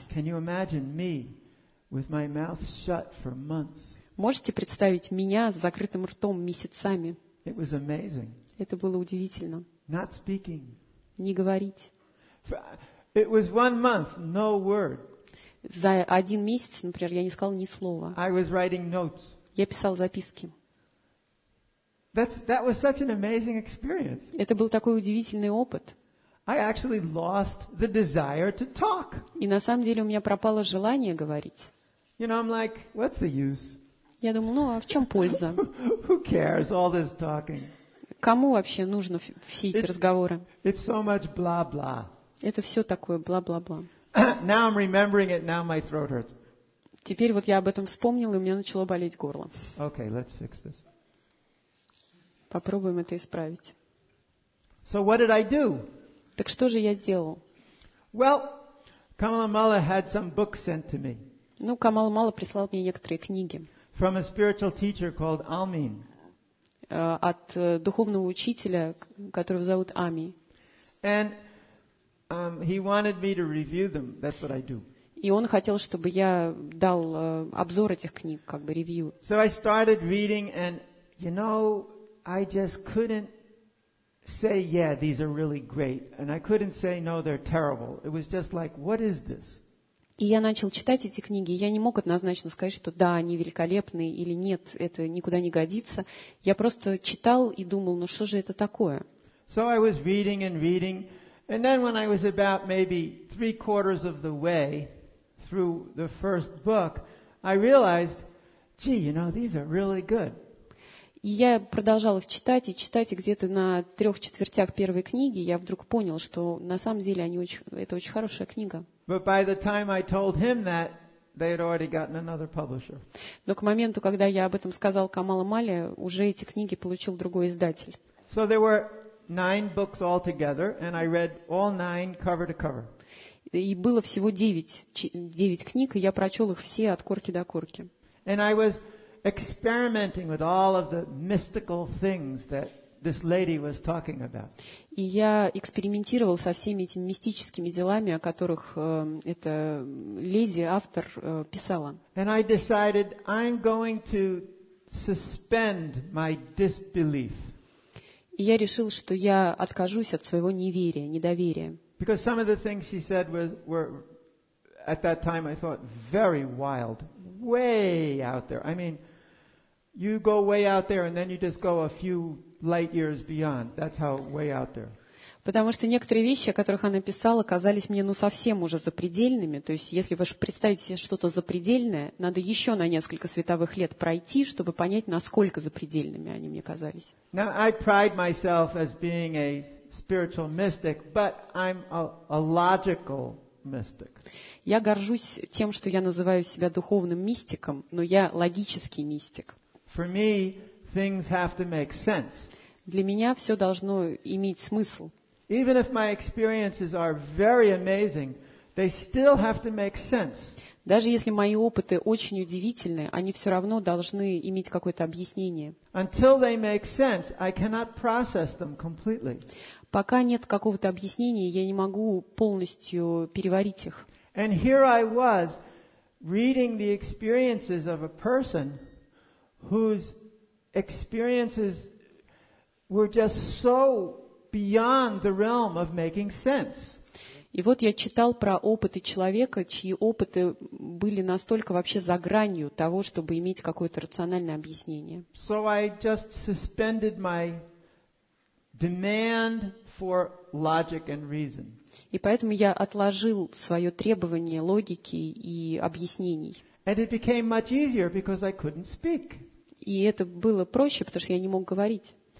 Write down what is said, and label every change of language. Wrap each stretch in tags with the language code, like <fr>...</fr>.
<en>Can you imagine me with my mouth shut for months?</en> <ru>Можете представить меня с закрытым ртом месяцами?</ru> <en>It was amazing.</en> <ru>Это было удивительно.</ru> <en>Not speaking.</en> <ru>Не говорить.</ru> <en>It was 1 month, no word.</en> <ru>За один месяц, например, я не сказала ни слова.</ru> <en>I was writing notes.</en> <ru>Я писал записки.</ru> <en>That was such an amazing experience.</en> <ru>Это был такой удивительный опыт.</ru> <en>I actually lost the desire to talk.</en> <ru>И на самом деле у меня пропало желание говорить.</ru> <en>You know, I'm like, what's the use?</en> <ru>Я думал, ну а в чем польза?</ru> <en>Who cares, all this talking?</en> <ru>Кому вообще нужны все эти разговоры?</ru> <en>It's so much blah-blah.</en> <ru>Это все такое бла-бла-бла.</ru> <en>Now I'm remembering it, now my throat hurts.</en> <ru>Теперь вот я об этом вспомнил, и у меня начало болеть горло.</ru> <en>Okay, let's fix this.</en> <ru>Попробуем это исправить.</ru> <en>So what did I do?</en> <ru>Так что же я делал?</ru> <en>Well, Kamala Mala had some books sent to me.</en> <ru>Ну, Камала Мала прислал мне некоторые книги.</ru> <en>From a spiritual teacher called Almin.</en> <ru>От духовного учителя, которого зовут Ами.</ru> <en>And he wanted me to review them. That's what I do.</en> <ru>И он хотел, чтобы я дал обзор этих книг, как бы ревью.</ru> <en>So I started reading, and you know, I just couldn't say, yeah, these are really great, and I couldn't say, no, they're terrible. It was just like, what is this?</en> <ru>И я начал читать эти книги, и я не мог однозначно сказать, что да, они великолепны или нет, это никуда не годится. Я просто читал и думал, ну что же это такое?</ru> <en>So I was reading and reading, and then when I was about maybe 3/4 of the way through the first book, I realized, gee, you know, these are really good.</en> <ru>И я продолжал их читать и читать, и где-то на 3/4 первой книги я вдруг понял, что на самом деле они очень, это очень хорошая книга.</ru> <en>But by the time I told him that, they had already gotten another publisher.</en> <ru>Но к моменту, когда я об этом сказал Камала Мале, уже эти книги получил другой издатель.</ru> <en>So there were 9 books altogether, and I read all 9 cover to cover.</en> <ru>И было всего 9 книг, и я прочел их все от корки до корки.</ru> <en>And I was experimenting with all of the mystical things that this lady was talking about.</en> <ru>И я экспериментировал со всеми этими мистическими делами, о которых эта леди, автор, писала.</ru> <en>And I decided I'm going to suspend my disbelief.</en> <ru>И я решил, что я откажусь от своего неверия, недоверия.</ru> <en>Because some of the things she said were at that time I thought very wild, way out there. I mean, you go way out there and then you just go a few light years beyond. That's how way out there.</en> <ru>Потому что некоторые вещи, о которых она писала, казались мне ну совсем уже запредельными. То есть, если вы представите себе что-то запредельное, надо еще на несколько световых лет пройти, чтобы понять, насколько запредельными они мне казались.</ru> <en>Now, I pride myself as being a spiritual mystic, but I'm a logical mystic.</en> <ru>Я горжусь тем, что я называю себя духовным мистиком, но я логический мистик.</ru> <en>For me, things have to make sense.</en> <ru>Для меня все должно иметь смысл.</ru> <en>Even if my experiences are very amazing, they still have to make sense.</en> <ru>Даже если мои опыты очень удивительны, они все равно должны иметь какое-то объяснение.</ru> <en>Until they make sense, I cannot process them completely.</en> <ru>Пока нет какого-то объяснения, я не могу полностью переварить их.</ru> <en>And here I was reading the experiences of a person whose experiences were just so beyond the realm of making sense.</en> <ru>И вот я читал про опыты человека, чьи опыты были настолько вообще за гранью того, чтобы иметь какое-то рациональное объяснение.</ru> <en>So I just suspended my demand for logic and reason.</en> <ru>И поэтому я отложил свое требование логики и объяснений.</ru> <en>And it became much easier because I couldn't speak.</en> <ru>И это было проще, потому что я не мог говорить.</ru>